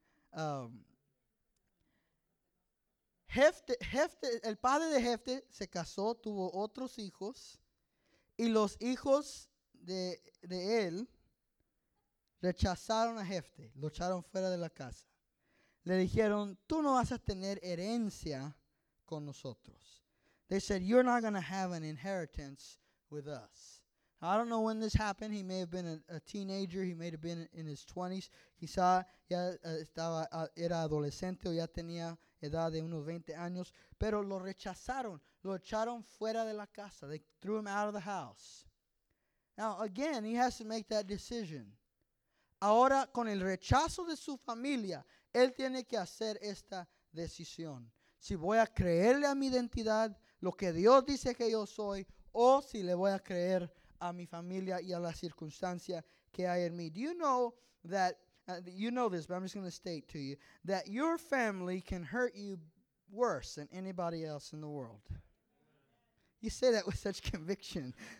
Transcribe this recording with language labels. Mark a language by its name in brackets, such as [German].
[Spanish] El padre de Jephthah se casó, tuvo otros hijos, y los hijos de él rechazaron a Jephthah, lo echaron fuera de la casa. Le dijeron, tú no vas a tener herencia con nosotros. [English] They said, you're not going to have an inheritance with us. I don't know when this happened. He may have been a teenager. He may have been in his 20s. [Spanish] Quizá ya estaba, era adolescente o ya tenía edad de unos 20 años. Pero lo rechazaron. Lo echaron fuera de la casa. [English] They threw him out of the house. Now, again, he has to make that decision. [Spanish] Ahora, con el rechazo de su familia, él tiene que hacer esta decisión. Si voy a creerle a mi identidad, lo que Dios dice que yo soy, o si le voy a creer a mi familia y a la circunstancia que hay en mí. [English] Do you know that, you know this, but I'm just going to state to you, that your family can hurt you worse than anybody else in the world? You say that with such conviction.